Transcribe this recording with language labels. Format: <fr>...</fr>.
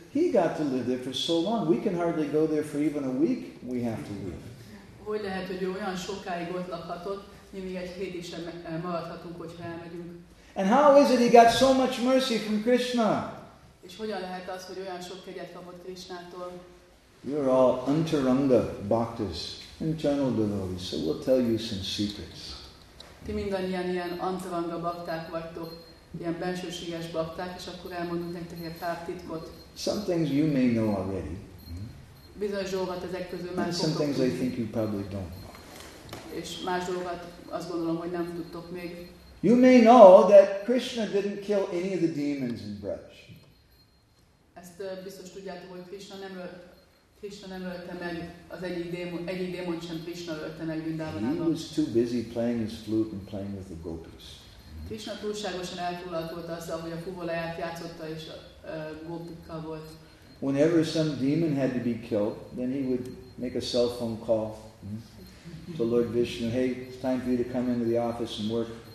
<en>He got to live there for so long. We can hardly go there for even a week. We have to leave.</en> <hu>Hogy lehet, hogy olyan sokáig ott lakhatott, mi még egy hét is maradhatunk, hogyha elmegyünk.</hu> <en>And how is it he got so much mercy from Krishna?</en> <hu>És hogyan lehet az, hogy olyan sok kegyet kapott Krishnától?</hu> <en>You're all antaranga bhaktas, internal devotees, so we'll tell you some secrets.</en> <hu>Ti mindannyian ilyen antaranga bhakták vagytok, ilyen bensőséges bhakták, és akkor elmondunk nektek egy pár titkot.</hu> <en>Some things you may know already.</en> <hu>Bizonyos dolgokat ezek közül már</hu> <en>some things I think you probably don't know.</en> <hu>És más dolgokat azt gondolom, hogy nem tudtok még.</hu> <en>You may know that Krishna didn't kill any of the demons in Braj.</en> <hu>Ezt biztos tudjátok, hogy Krishna nem ölte meg egyik démont sem Krishna ölte meg Vrindavanában.</hu> <en>He was too busy playing his flute and playing with the gopis.</en> <hu>Krishna túlságosan elfoglalt volt azzal, hogy a fuvolaját játszotta és a gopikkal volt.</hu> <en>Whenever some demon had to be killed, then he would make a cell phone call to Lord Vishnu, hey, it's time for you to come into the office and work.</en>